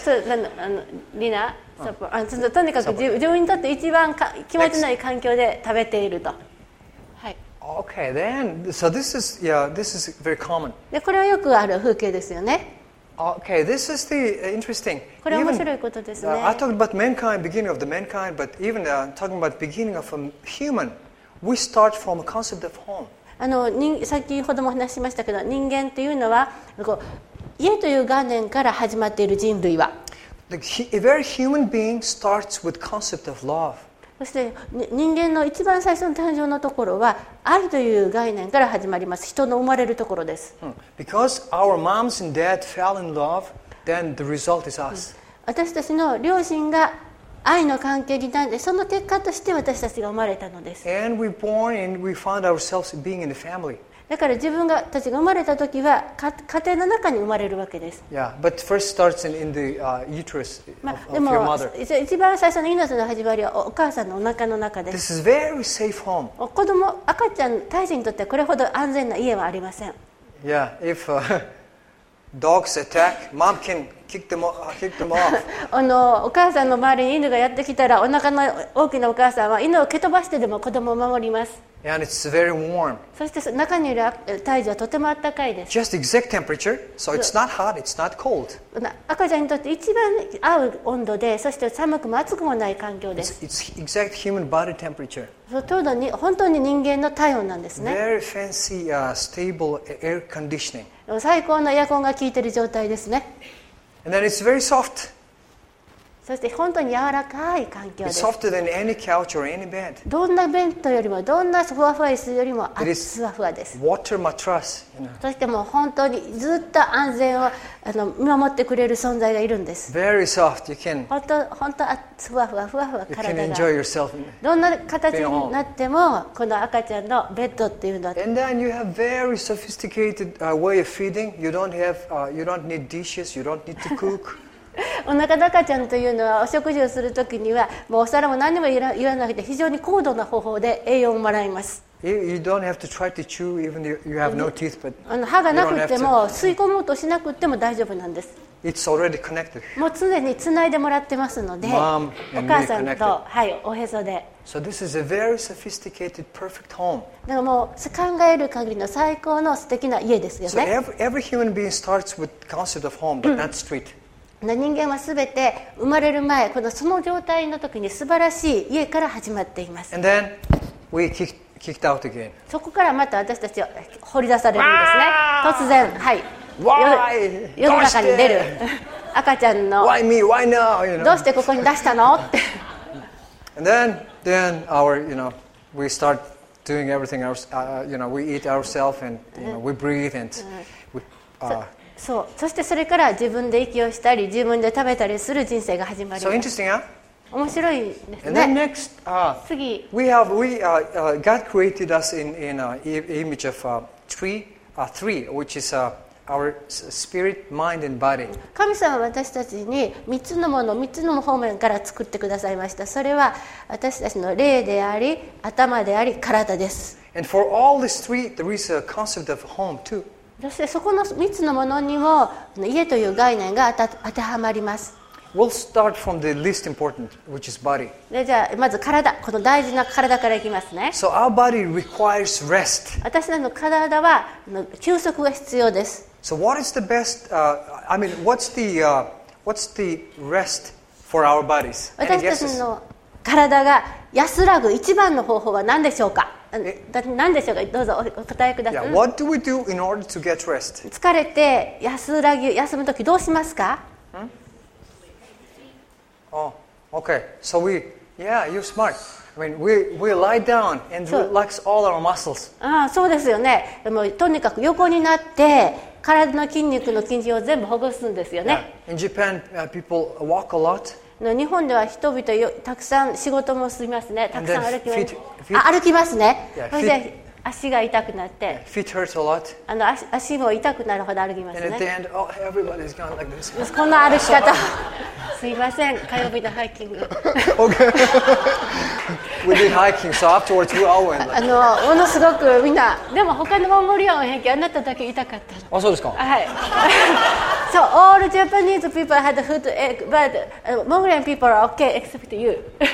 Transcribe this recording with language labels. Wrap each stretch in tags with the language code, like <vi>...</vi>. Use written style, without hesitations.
<ja>そう、リナ、とにかく自分にとって一番気持ちのいい環境で食べていると。</ja> <en>Okay, then. So this is, yeah, this is very common.</en> <ja>で、これはよくある風景ですよね。</ja> <en>Okay, this is the interesting.</en> <ja>これは面白いことですね。</ja> <en>I talked about mankind, beginning of the mankind, but even talking about beginning of a human, we start from a concept of home.</en> <ja>さっきほども話しましたけど、人間というのは、家という概念から始まっている人類は。</ja> <en>A very human being starts with concept of love.</en> <ja>そして人間の一番最初の誕生のところは愛という概念から始まります。人の生まれるところです。</ja> <en>Because our moms and dad fell in love, then the result is us.</en> <ja>私たちの両親が愛の関係になって、その結果として私たちが生まれたのです。</ja> <en>And we born and we found ourselves being in the family.</en> <ja>だから自分たちが生まれた時は家庭の中に生まれるわけです。</ja> <en>Yeah, but first starts in the uterus of your mother.</en> <ja>一番最初の命の始まりはお母さんのお腹の中です。</ja> <en>This is very safe home.</en> <ja>子供、赤ちゃん、胎児にとってこれほど安全な家はありません。</ja> <en>Yeah, if dogs attack, mom can kick them off.</en> <ja>お母さんの周りに犬がやってきたら、お腹の大きなお母さんは犬を蹴飛ばしてでも子供を守ります。</ja> <en>And it's very warm.</en> <ja>そして中にいる胎児はとても暖かいです。</ja> <en>Just exact temperature, so it's not hot, it's not cold.</en> <ja>赤ちゃんにとって一番合う温度で、そして寒くも暑くもない環境です。</ja> <en>It's exact human body temperature.</en> <ja>そう、ちょうどに本当に人間の体温なんですね。</ja> <en>Very fancy, stable air conditioning.</en> <ja>最高のエアコンが効いている状態ですね。</ja> <en>And then it's very soft.</en> <ja>そして本当に柔らかい環境です。</ja> <en>It's softer than any couch or any bed.</en> <ja>どんなベッドよりも、どんなふわふわ椅子よりも、ふわふわです。</ja> <en>Water mattress, you know.</en> <ja>そしてもう本当にずっと安全を見守ってくれる存在がいるんです。</ja> <en>Very soft, you can.</en> <ja>本当ふわふわふわふわ体が。</ja> <en>You can enjoy yourself.</en> <ja>どんな形になっても、この赤ちゃんのベッドっていうのは。</ja> <en>And then you have very sophisticated way of feeding. You don't have, you don't need dishes. You don't need to cook.</en> <ja>お腹の赤ちゃんというのはお食事をするときにはもうお皿も何も言わなくて非常に高度な方法で栄養をもらいます。歯がなくても吸い込もうとしなくても大丈夫なんです。</ja> <en>It's already connected.</en> <ja>もう常につないでもらってますので、</ja> <en>Mom、</en> <ja>お母さんと、はい、おへそで。</ja> <en>So this is a very sophisticated, perfect home.</en> <ja>だからもう考える限りの最高の素敵な家ですよね。</ja> <en>So every human being starts with concept of home, but not street.</en> <ja>人間はすべて生まれる前、このその状態の時に素晴らしい家から始まっています。</ja> <en>And then we kicked out again.</en> <ja>そこからまた私たちを掘り出されるんですね。突然、はい、</ja> <en>Why?</en> <ja>世の中に出る赤ちゃんの</ja> <en>Why me? Why now? You know?</en> <ja>どうしてここに出したのって。</ja> <en>And then our, you know, we start doing everything else, you know, we eat ourselves and you know, we breathe and we,</en> <ja>そう、そしてそれから自分で息をしたり自分で食べたりする人生が始まります。</ja> <en>So interesting, huh?</en> <ja>面白いですね。</ja> <en>And then next,</en> <ja>次</ja> <en>we have, God created us in image of three, which is our spirit, mind, and body.</en> <ja>神様は私たちに3つのものを3つの方面から作ってくださいました。それは私たちの霊であり、頭であり、体です。</ja> <en>And for all these three, there is a concept of home too.</en> <ja>そしてそこの3つのものにも家という概念が当てはまります。</ja> <en>We'll start from the least important, which is body.</en> <ja>じゃあまず体、この大事な体からいきますね。</ja> <en>So our body requires rest.</en> <ja>私の体は休息が必要です。</ja> <en>So what is the best, what's the rest for our bodies?</en> <ja>私たちの体が安らぐ一番の方法は何でしょうか？何でしょうか？どうぞお答えください。</ja> <en>Yeah, what do we do in order to get rest?</en> <ja>疲れて安らぎ、休むときどうしますか？</ja> <en>Oh, okay. So we, yeah, you're smart. I mean, we lie down and relax all our muscles.</en> <ja>ああ、そうですよね。でもとにかく横になって体の筋肉の筋肉を全部ほぐすんですよね。</ja> <en>Yeah. In Japan, people walk a lot.</en> <ja>日本では人々よたくさん仕事もしますね。たくさん歩きます。あ、歩きますね。</ja> <en>Yeah,</en> <ja>それで足が痛くなって。</ja> <en>Yeah, feet hurt a lot.</en> <ja>足も痛くなるほど歩きますね。 And at the end, oh, everybody's gone like this. こんな歩き方。すいません、火曜日のハイキング。</ja> <en>Okay. We did hiking, so afterwards we all went.</en> <ja>ものすごくみんな、でも他のモンゴリアンの平均、あなただけ痛かったの。あ、そうですか。はい。</ja> <en>So all Japanese people had a foot ache, but Mongolian people are okay except you.</en>